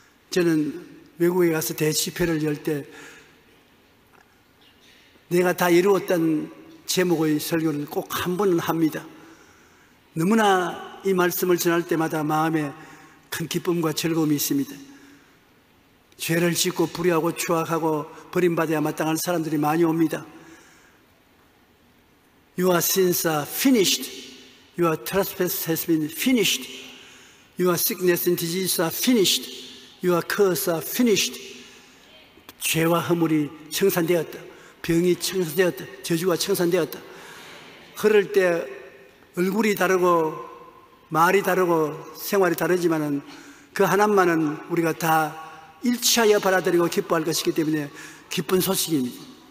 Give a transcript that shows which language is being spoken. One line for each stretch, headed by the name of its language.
Korean: 저는 외국에 가서 대시회를 열 때 내가 다 이루었다는 제목의 설교를 꼭 한 번은 합니다. 너무나 이 말씀을 전할 때마다 마음에 큰 기쁨과 즐거움이 있습니다. 죄를 짓고 불의하고 추악하고 버림받아야 마땅한 사람들이 많이 옵니다.
English: Your sins are finished. Your trespass has been finished. Your sickness and disease are finished. Your curse are finished.
Korean: 죄와 허물이 청산되었다. 병이 청산되었다. 저주가 청산되었다. 흐를 때 얼굴이 다르고 말이 다르고 생활이 다르지만은 그 하나만은 우리가 다 일치하여 받아들이고 기뻐할 것이기 때문에 기쁜 소식입니다.